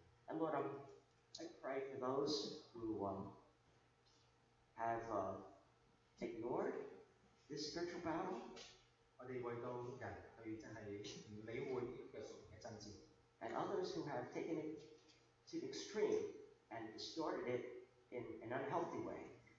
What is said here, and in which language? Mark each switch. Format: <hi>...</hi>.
<en>And Lord, I pray for those who have ignored this spiritual battle.</en> <yue>我哋为到人去真系唔理会呢个属灵嘅争战。</yue> <en>And others who have taken it to the extreme and distorted it in an unhealthy way.</en>